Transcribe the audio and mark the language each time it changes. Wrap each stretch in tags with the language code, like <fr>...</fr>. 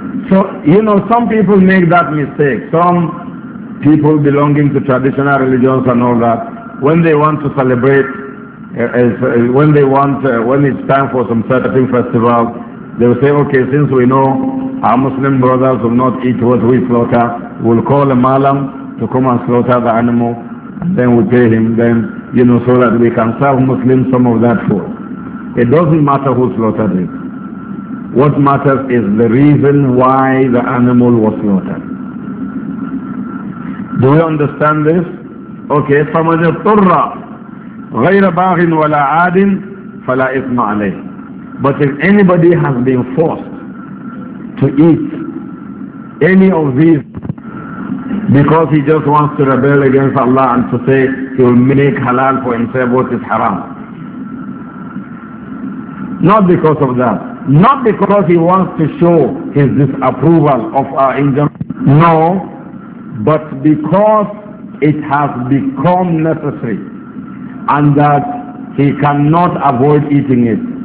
<en>So, you know, some people make that mistake. Some people belonging to traditional religions and all that, when they want to celebrate, when it's time for some certain festival, they will say, okay, since we know our Muslim brothers will not eat what we slaughter, we'll call a malam to come and slaughter the animal, and then we pay him, then, you know, so that we can serve Muslims some of that food. It doesn't matter who slaughtered it. What matters is the reason why the animal was slaughtered. Do you understand this?</en> <ar>Okay, فَمَنْ اضْطُرَّ غَيْرَ بَاغٍ وَلَا عَادٍ فَلَا إِثْمَ عَلَيْهِ.</ar> <en>But if anybody has been forced to eat any of these because he just wants to rebel against Allah and to say he will make halal for himself what is haram, not because of that, not because he wants to show his disapproval of our injunction, no, but because it has become necessary and that he cannot avoid eating it.</en>